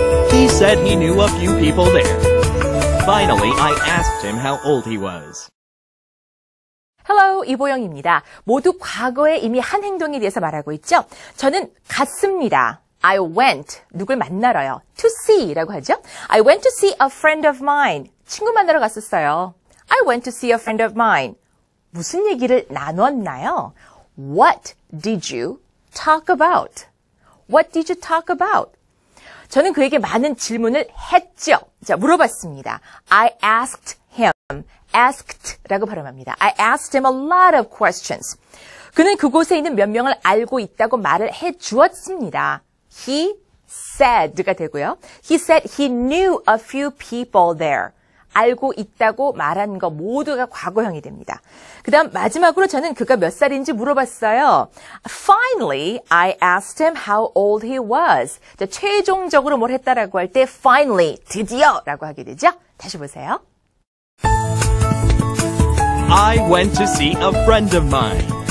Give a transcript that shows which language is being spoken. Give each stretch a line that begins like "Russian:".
English: He said he knew a few people there. Finally, I asked him how old he was. Hello,
Korean: 이보영입니다. 모두 과거에 이미 한 행동에 대해서 말하고 있죠? 저는 갔습니다.
English: I went,
Korean: 누굴 만나러요.
English: To see
Korean: 라고 하죠?
English: I went to see a friend of mine.
Korean: 친구 만나러 갔었어요.
English: I went to see a friend of mine.
Korean: 무슨 얘기를 나눴나요?
English: What did you talk about? What did you talk about?
Korean: 저는 그에게 많은 질문을 했죠. 자, 물어봤습니다.
English: I asked him.
Korean: Asked라고 발음합니다.
English: I asked him a lot of questions.
Korean: 그는 그곳에 있는 몇 명을 알고 있다고 말을 해 주었습니다.
English: He said
Korean: 가 되고요.
English: He said he knew a few people there.
Korean: 알고 있다고 말한 거 모두가 과거형이 됩니다. 그 다음 마지막으로 저는 그가 몇 살인지 물어봤어요.
English: Finally, I asked him how old he was.
Korean: 자, 최종적으로 뭘 했다라고 할 때 finally, 드디어 라고 하게 되죠. 다시 보세요.
English: I went to see a friend of mine.